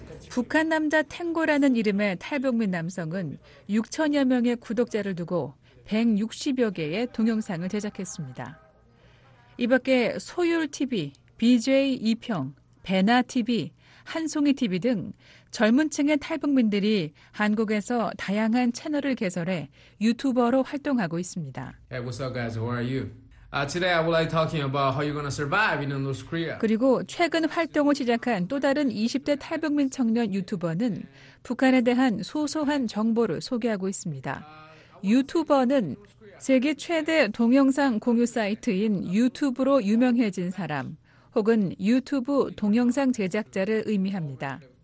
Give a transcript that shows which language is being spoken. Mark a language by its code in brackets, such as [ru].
[ko] 북한 남자 탱고라는 이름의 탈북민 남성은 6천여 명의 구독자를 두고 160여 개의 동영상을 제작했습니다. 이 밖에 소율TV, BJ2평, 배나TV, 한송이TV 등 젊은 층의 탈북민들이 한국에서 다양한 채널을 개설해 유튜버로 활동하고 있습니다. [en] Hey, what's up guys? How are you? Today I would like talking about how you're gonna survive in North Korea. [ko] 그리고 최근 활동을 시작한 또 다른 20대 탈북민 청년 유튜버는 북한에 대한 소소한 정보를 소개하고 있습니다. 유튜버는 세계 최대 동영상 공유 사이트인 유튜브로 유명해진 사람 혹은 유튜브 동영상 제작자를 의미합니다.